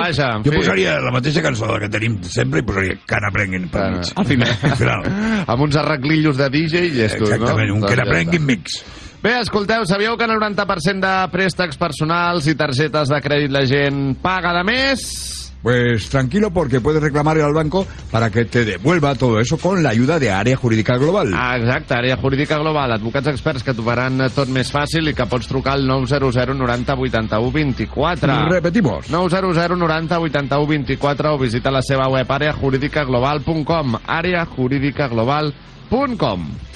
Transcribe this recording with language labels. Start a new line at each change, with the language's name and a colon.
Catalan: Jo posaria la mateixa cançó que tenim sempre i posaria que n'aprenguin per mig. Al final. Amb uns arreglillos de DJ i llestos, no? Exactament, un que n'aprenguin mix. Bé, escolteu, sabíeu que el 90% de préstecs personals i targetes de crèdit la gent paga de més?
Spanish: Pues tranquilo, porque puedes reclamar al banco para que te devuelva todo eso con la ayuda de Área Jurídica Global.
Catalan: Exacte, Área Jurídica Global, advocats experts que t'ho faran tot més fàcil i que pots trucar al 900-90-81-24.
Spanish: Repetimos.
Catalan: 900-90-81-24 o visita la seva web areajuridicaglobal.com. areajuridicaglobal.com.